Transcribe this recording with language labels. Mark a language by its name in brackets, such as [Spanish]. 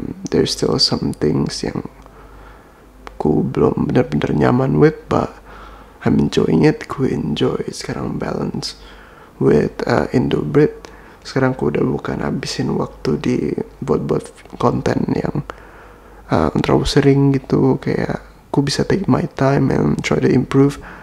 [English] there's still some things [Indonesian] yang ku belum benar-benar nyaman [English] with, but I'm enjoying it. [Indonesian] Ku [English] enjoy [Indonesian] sekarang [English] balance with Indobrit. [Indonesian] Sekarang ku udah bukan habisin waktu di buat-buat konten yang terlalu sering gitu. Kayak ku bisa [English] take my time and try to improve.